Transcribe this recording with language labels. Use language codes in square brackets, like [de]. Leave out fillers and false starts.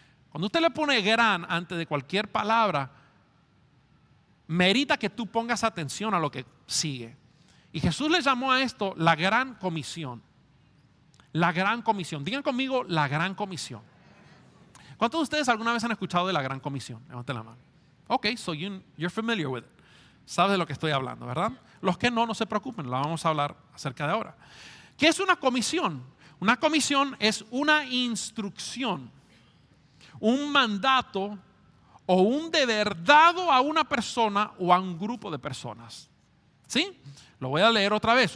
[es] Cuando usted le pone gran antes de cualquier palabra, merita que tú pongas atención a lo que sigue. Y Jesús le llamó a esto la gran comisión. La gran comisión. Digan conmigo, la gran comisión. ¿Cuántos de ustedes alguna vez han escuchado de la gran comisión? Levanten la mano. [en] Ok, so you're familiar with it. [es] Sabes de lo que estoy hablando, ¿verdad? Los que no, no se preocupen. Lo vamos a hablar acerca de ahora. ¿Qué es una comisión? Una comisión es una instrucción, un mandato o un deber dado a una persona o a un grupo de personas. ¿Sí? Lo voy a leer otra vez.